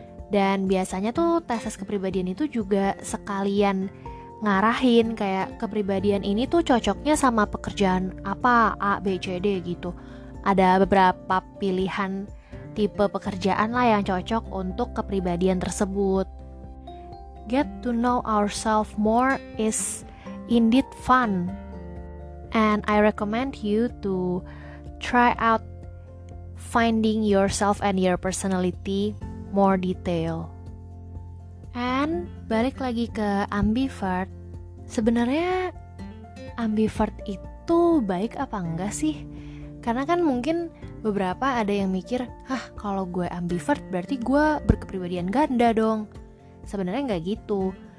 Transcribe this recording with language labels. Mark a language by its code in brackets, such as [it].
[id] Dan biasanya tuh tes kepribadian itu juga sekalian ngarahin kayak kepribadian ini tuh cocoknya sama pekerjaan apa, A, B, C, D gitu. Ada beberapa pilihan tipe pekerjaan lah yang cocok untuk kepribadian tersebut. [en] Get to know ourselves more is indeed fun. And I recommend you to try out finding yourself and your personality more detail. [id] And balik lagi ke ambivert. Sebenarnya ambivert itu baik apa enggak sih? Karena kan mungkin beberapa ada yang mikir, "Hah, kalau gue ambivert berarti gue berkepribadian ganda dong." Sebenarnya enggak gitu.